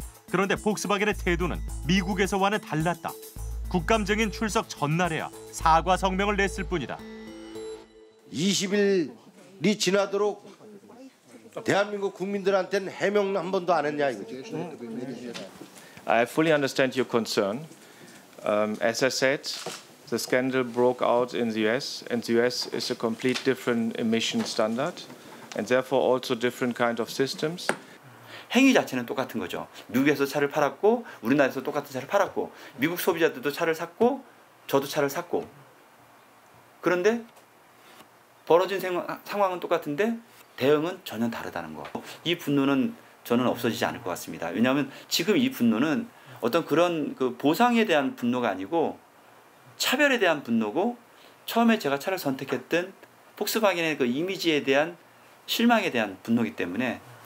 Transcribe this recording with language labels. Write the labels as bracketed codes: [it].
[ko] 그런데 폭스바겐의 태도는 미국에서와는 달랐다. 국감증인 출석 전날에야 사과 성명을 냈을 뿐이다. 20일이 지나도록 대한민국 국민들한테는 해명 한 번도 안 했냐 이거죠. [en] I fully understand your concern. As I said, the scandal broke out in the US, and the US is a complete different emission standard, and therefore also different kind of systems. [ko] 행위 자체는 똑같은 거죠. 미국에서 차를 팔았고, 우리나라에서 똑같은 차를 팔았고, 미국 소비자들도 차를 샀고, 저도 차를 샀고. 그런데 벌어진 상황은 똑같은데 대응은 전혀 다르다는 거. 이 분노는 저는 없어지지 않을 것 같습니다. 왜냐하면 지금 이 분노는 어떤 그런 그 보상에 대한 분노가 아니고 차별에 대한 분노고, 처음에 제가 차를 선택했던 폭스바겐의 그 이미지에 대한 실망에 대한 분노이기 때문에.